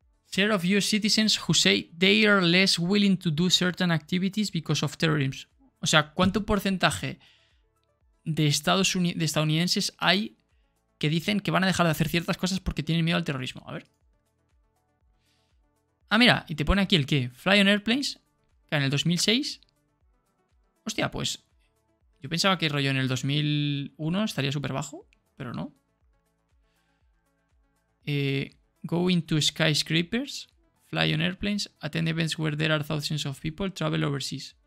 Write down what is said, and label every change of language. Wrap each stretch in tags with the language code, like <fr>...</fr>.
<en>Share of US citizens who say they are less willing to do certain activities because of terrorism.</en> <es>O sea, ¿cuánto porcentaje de estadounidenses hay que dicen que van a dejar de hacer ciertas cosas porque tienen miedo al terrorismo? A ver. Ah, mira, y te pone aquí el qué.</es> <en>Fly on airplanes,</en> <es>que en el 2006. Hostia, pues yo pensaba que rollo en el 2001 estaría súper bajo, pero no.</es> <en>Going to skyscrapers, fly on airplanes, attend events where there are thousands of people, travel overseas.</en>